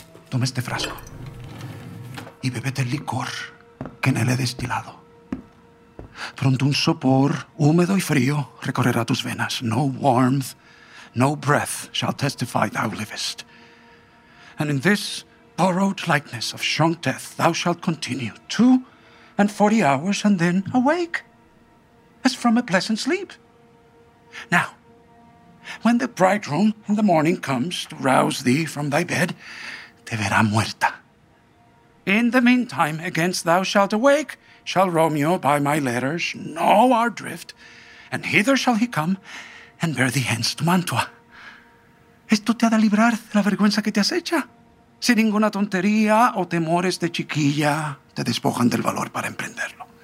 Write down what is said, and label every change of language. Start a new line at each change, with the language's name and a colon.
Spanish: Toma este frasco y bébete el licor que en él he destilado. Pronto un sopor húmedo y frío recorrerá tus venas.
English: No warmth, no breath shall testify thou livest. And in this borrowed likeness of shrunk death thou shalt continue 2 and 40 hours and then awake as from a pleasant sleep. Now, when the bridegroom in the morning comes to rouse thee from thy bed,
Spanish: te verá muerta.
English: In the meantime, against thou shalt awake, shall Romeo by my letters know our drift, and hither shall he come and bear thee hence to Mantua.
Spanish: Esto te ha de librar de la vergüenza que te acecha. Si ninguna tontería o temores de chiquilla te despojan del valor para emprenderlo.